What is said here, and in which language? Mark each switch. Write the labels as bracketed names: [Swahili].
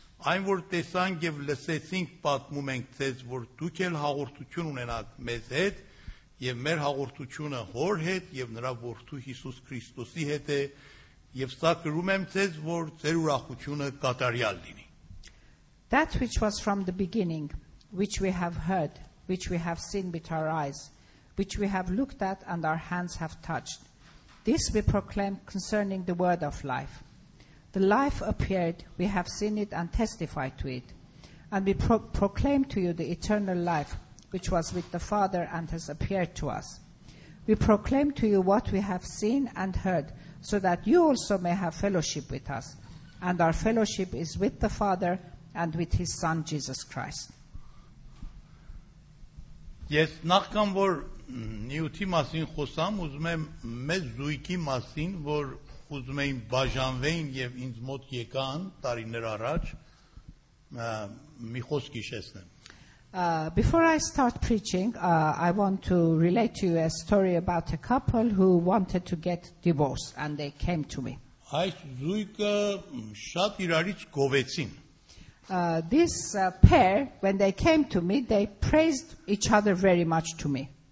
[Armenian] Այն որ տեսանք եւ լսեցինք, պատմում ենք ձեզ, որ դուք էլ հաղորդություն ունենաք մեզ հետ, եւ մեր հաղորդությունը հոր հետ եւ նրա որդու Հիսուս Քրիստոսի հետ է, եւ սա գրում եմ ձեզ, որ ձեր ուրախությունը կատարյալ լինի. [English] That which was from the beginning, which we have heard, which we have seen with our eyes, which we have looked at and our hands have touched, this we proclaim concerning the word of life. The life appeared, we have seen it and testified to it. And we proclaim to you the eternal life, which was with the Father and has appeared to us. We proclaim to you what we have seen and heard, so that you also may have fellowship with us. And our fellowship is with the Father and with his Son, Jesus Christ. [Armenian] Ես նախքան որ նյութի մասին խոսամ, ուզում եմ մեծ զույգի մասին, որ ուզում էին բաժանվեին եւ ինձ մոտ եկան տարիներ առաջ, մի խոսքի շեսնեմ. [English] Before I start preaching, I want to relate to you a story about a couple who wanted to get divorced and they came to me. [Armenian] Այս զույգը շատ իրարից գովեցին. [English] This pair, when they came to me, they praised each other very much to me.